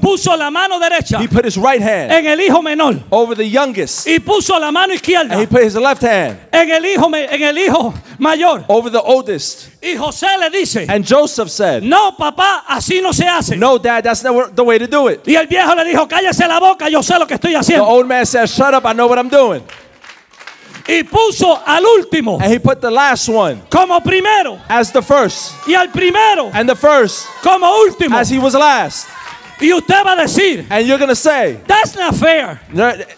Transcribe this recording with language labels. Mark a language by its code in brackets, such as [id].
[es] Puso la mano derecha. [en] He put his right hand. [es] En el hijo menor. [en] Over the youngest. [es] Y puso la mano izquierda. [en] And he put his left hand. [es] En el hijo mayor. [en] Over the oldest. [es] Y José le dice. [en] And Joseph said. [es] No, papá, así no se hace. [en] No, dad, that's never the way to do it. [es] Y el viejo le dijo, cállese la boca, yo sé lo que estoy haciendo. [en] The old man said, shut up, I know what I'm doing. [es] Y puso al último. [en] And he put the last one. [es] Como primero. [en] As the first. [es] Y al primero. [en] And the first. [es] Como último. [en] As he was last. [es] Y usted va a decir. [en] And you're going to say. That's not fair. [es] No,